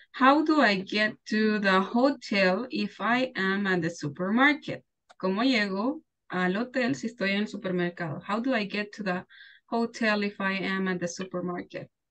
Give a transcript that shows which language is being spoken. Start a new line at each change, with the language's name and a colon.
English: How do I get to the hotel if I am at the supermarket?
Spanish: ¿Cómo llego al hotel si estoy en el supermercado?
English: How do I get to the hotel if I am at the supermarket?